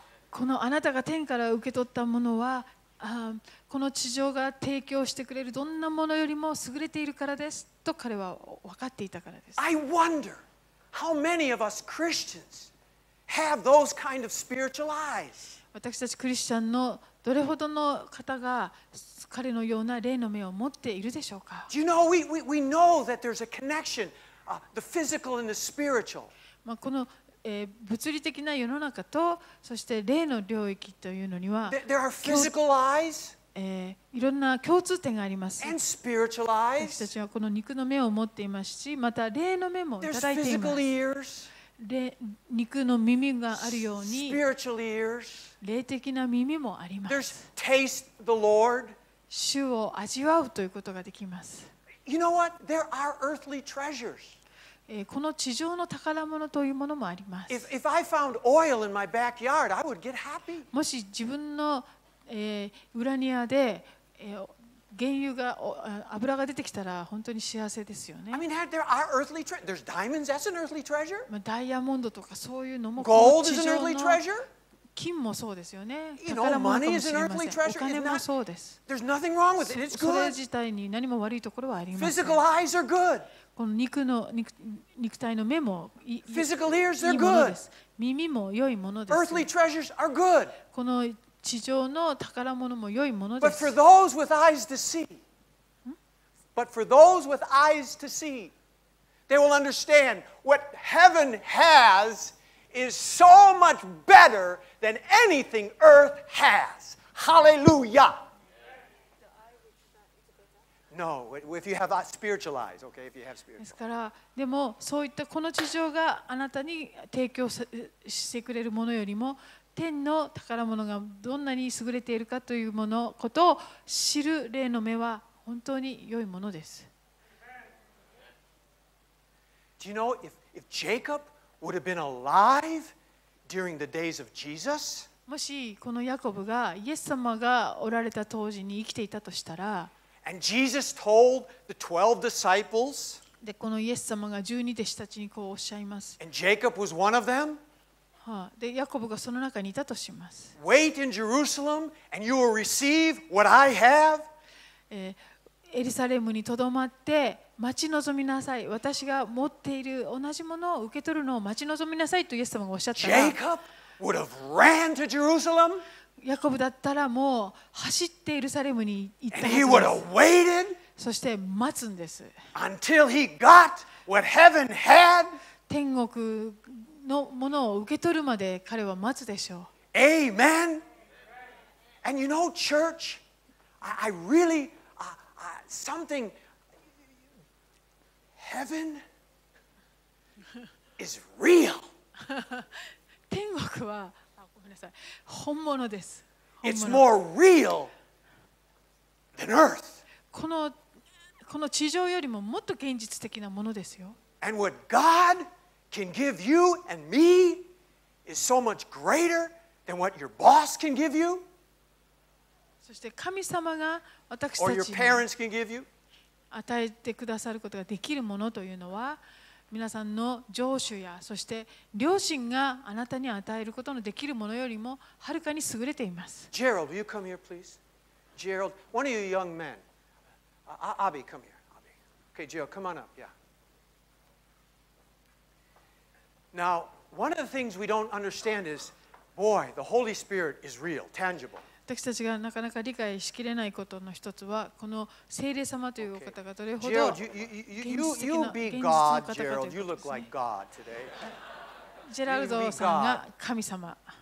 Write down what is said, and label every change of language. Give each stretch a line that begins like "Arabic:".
Japanese: このあなたが天から受け取ったものは、この地上が提供してくれるどんなものよりも優れているからですと彼は分かっていたからです。
English: I wonder how many of us Christians have those kind of spiritual eyes.
Japanese: 私たちクリスチャンのどれほどの方が彼のような霊の目を持っているでしょうか。
English: Do you know, we know that there's a connection, the physical and the spiritual.
Japanese: まあ、この物理的な世の中と、そして霊の領域というのには、
English: There are physical eyes,
Japanese: いろんな共通点があります。
English: And spiritual eyes.
Japanese: 私たちはこの肉の目を持っていますし、また霊の目もいただいています。
English: There's physical ears.
Japanese: 肉の耳があるように、
English: Spiritual ears.
Japanese: 霊的な耳もあります。
English: There's taste the Lord.
Japanese: 主を味わうということができます。
English: You know what? There are earthly treasures.
Japanese: この地上の宝物というものもあります。
English: if I found oil in my backyard, I would get happy.
Japanese: もし自分の、裏庭で、原油が油が出てきたら本当に幸せですよね。
English: I mean, there are earthly treasures. There's diamonds, that's an earthly treasure.
Japanese: まあ、ダイヤモンドとかそういうのも、
English: Gold is an earthly treasure.
Japanese: 金もそうですよね。
English: You know, money is an earthly treasure.
Japanese: お金もそうです。
English: There's nothing wrong with it. It's good.
Japanese: それ自体に何も悪いところはありません。
English: Physical eyes are good.
Japanese: この肉体の目もいいものです。耳も良いものです。
English: Earthly treasures are good.
Japanese: この地上の宝物も良いものです。
English: But for those with eyes to see, but for those with eyes to see, they will understand what heaven has is so much better than anything earth has. Hallelujah. No, if you have spiritual eyes, okay, if you have spiritual eyes.
Japanese: ですから、でもそういったこの地上があなたに提供してくれるものよりも、天の宝物がどんなに優れているかというものことを知る霊の目は本当に良いものです。
English: Do you know, if Jacob would have been alive during the days of Jesus?
Japanese: もしこのヤコブがイエス様がおられた当時に生きていたとしたら、
English: And Jesus told the 12 disciples,
Japanese: でこのイエス様が十二弟子たちにこうおっしゃいます。
English: And Jacob was one of them.
Japanese: はあ、でヤコブがその中にいたとします。
English: Wait in Jerusalem and you will receive what I have.
Japanese: エルサレムにとどまって待ち望みなさい。私が持っている同じものを受け取るのを待ち望みなさいとイエス様がおっしゃったら、
English: Jacob would have ran to Jerusalem.
Japanese: ヤコブだったらもう走ってエルサレムに行ったはずです。
English: And he would have waited.
Japanese: そして待つんです。
English: Until he got what heaven had.
Japanese: 天国のものを受け取るまで彼は待つでしょう。
English: Amen. And you know, church, I really. Something heaven is real.
Japanese: 天国はごめんなさい本物です。
English: It's more real than earth.
Japanese: この地上よりももっと現実的なものですよ。
English: And what God can give you and me is so much greater than what your boss can give you.
Japanese: そして神様が私たちに与えてくださることができるものというのは皆さんの上司やそして両親があなたに与えることのできるものよりもはるかに優れています。
English: Gerald, will you come here please? Gerald, one of you young men. Abby, come here. Abby. Okay, Gerald, come on up. Yeah. Now, one of the things we don't understand is, boy, the Holy Spirit is real, tangible.
Japanese: 私たちがなかなか理解しきれないことの一つはこの聖霊様というお方がどれほど現実的な現実の方かということですね。ジェラルドさんが神様。